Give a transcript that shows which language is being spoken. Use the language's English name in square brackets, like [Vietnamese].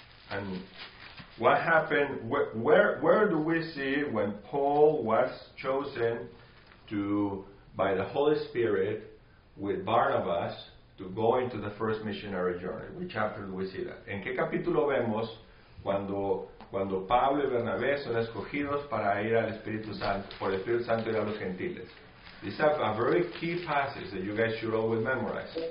[English] And what happened, where do we see when Paul was chosen by the Holy Spirit with Barnabas to go into the first missionary journey? Which chapter do we see that? [Spanish] ¿En qué capítulo vemos cuando Pablo y Bernabé son escogidos para ir al Espíritu Santo, por el Espíritu Santo y a los gentiles? [English] This is a very key passage that you guys should always memorize.